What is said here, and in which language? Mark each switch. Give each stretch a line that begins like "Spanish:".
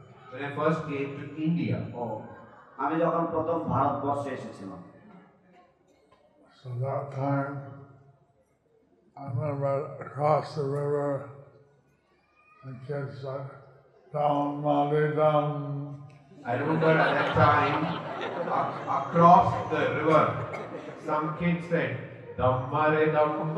English: When I first came to India.
Bangla: আমি যখন প্রথম ভারতবর্ষে এসেছিলাম.
English: So that time I remember across the river, the kids said, Down Mali Dum. I remember at that time, across the river, some kids said, Dum Mali Dum.